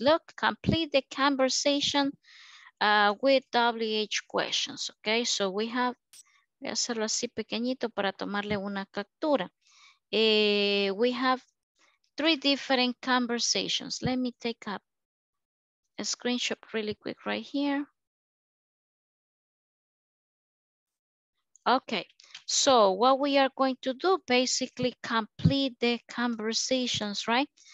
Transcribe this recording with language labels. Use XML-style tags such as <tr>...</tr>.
<en>Look, complete the conversation with WH questions, okay? So we have,</en> <es>voy a hacerlo así pequeñito para tomarle una captura.</es> <en>We have three different conversations. Let me take up a screenshot really quick right here. Okay, so what we are going to do, basically complete the conversations, right?</en>